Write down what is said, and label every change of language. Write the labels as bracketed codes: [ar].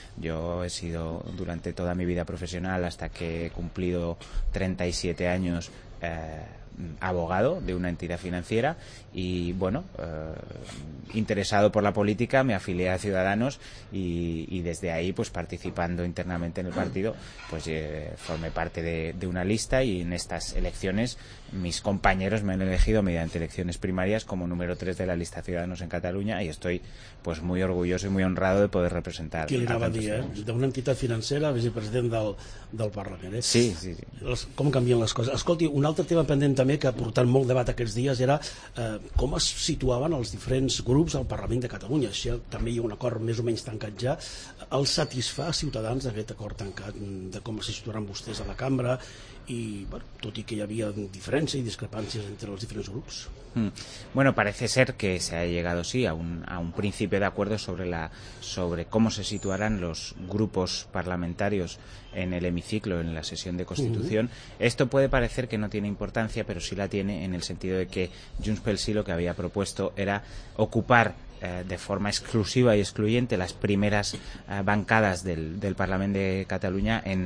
[es] Yo he sido durante toda mi vida profesional, hasta que he cumplido 37 años, abogado de una entidad financiera, y bueno, interesado por la política, me afilié a Ciudadanos y desde ahí, pues participando internamente en el partido, pues formé parte de una lista, y en estas elecciones mis compañeros me han elegido mediante elecciones primarias como número 3 de la lista Ciudadanos en Cataluña, y estoy pues muy orgulloso y muy honrado de poder representar. ¿Qué le daba a día, de una entidad financiera, vicepresidente del Parlament? Sí, sí, sí. ¿Cómo cambian las cosas? [ca] Escolti, un altre tema pendent també que ha portat molt debat aquests dies era com es situaven els diferents grups al Parlament de Catalunya. Així, també hi ha un acord més o menys tancat ja. El satisfà Ciutadans d'aquest acord tancat de com es situaran vostès a la cambra, i bueno, tot i que hi havia diferències i discrepàncies entre els diferents grups? [es] Bueno, parece ser que se ha llegado sí a un principio de acuerdo sobre cómo se situarán los grupos parlamentarios en el hemiciclo, en la sesión de constitución. Esto puede parecer que no tiene importancia, pero sí la tiene, en el sentido de que Junts pel Sí lo que había propuesto era ocupar de forma exclusiva y excluyente las primeras bancadas del Parlament de Cataluña